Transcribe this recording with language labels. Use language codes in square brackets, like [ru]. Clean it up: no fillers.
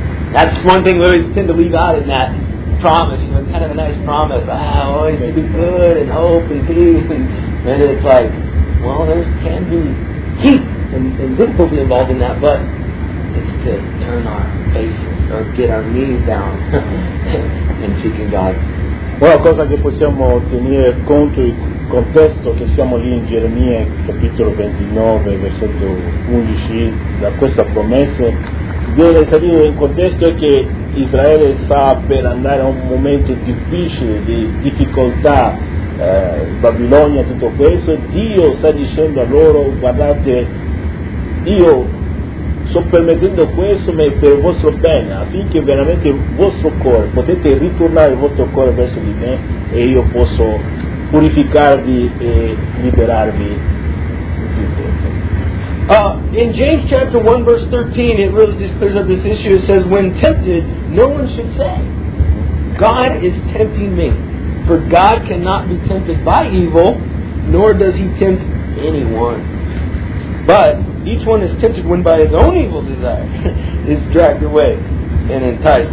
[en] That's one thing we always tend to leave out in that promise. You know, kind of a nice promise. Ah, always to be good and hope and peace. And it's like, well, there can be heat and difficulty involved in that, but it's to turn our faces or get our knees down and seeking God. [it] Una cosa che possiamo tenere conto il contesto che siamo lì in Geremia capitolo 29 versetto 11 da questa promessa deve salire in contesto è che Israele sta per andare a un momento difficile di difficoltà Babilonia tutto questo Dio sta dicendo a loro guardate io sto permettendo questo ma è per il vostro bene affinché veramente il vostro cuore potete ritornare il vostro cuore verso di me e io posso purificarvi e liberarvi [en] in James chapter 1 verse 13 it really just clears up this issue. It says when tempted no one should say God is tempting me, for God cannot be tempted by evil nor does he tempt anyone, but each one is tempted when by his own evil desire is dragged away and enticed.